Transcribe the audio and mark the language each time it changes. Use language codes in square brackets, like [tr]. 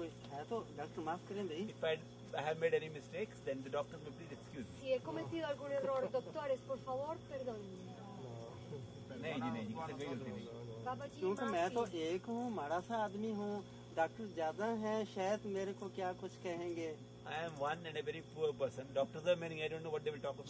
[en] If I have made any mistakes, then the doctor will please excuse me. [es] Si he cometido algún error, doctores, por favor, perdónenme. No, no, no, no, no, no. [hi] Babaji, क्योंकि मैं तो एक हूँ, माड़ा सा आदमी हूँ. Doctor ज्यादा हैं, शायद मेरे को क्या कुछ कहेंगे. [en] I am one and a very poor person. Doctors are many. I don't know what they will talk about.